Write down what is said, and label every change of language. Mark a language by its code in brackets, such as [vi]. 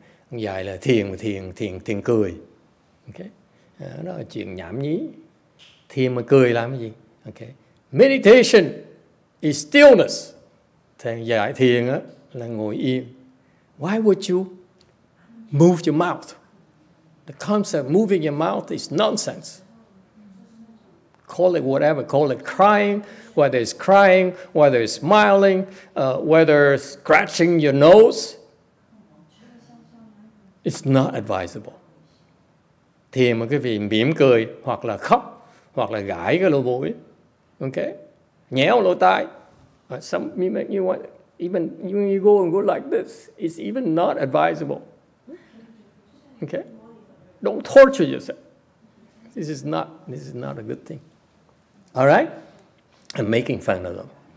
[vi] Ông dạy là thiền cười. Okay. Đó là chuyện nhảm nhí. Thiền mà cười làm cái gì? Okay. [en] Meditation is stillness. [vi] Thầy dạy thiền á là ngồi yên. [en] Why would you move your mouth? The concept of moving your mouth is nonsense. Call it whatever, call it crying, whether it's crying, whether it's smiling, whether it's scratching your nose. It's not advisable. [vi] Thì mà quý vị mỉm cười, hoặc là khóc, hoặc là gãi cái lỗ mũi, okay? Nhéo lỗ tai. [en] Some mimic, you want, even when you go and go like this, it's even not advisable. Okay? Don't torture yourself. This is not a good thing. All right? I'm making fun of them.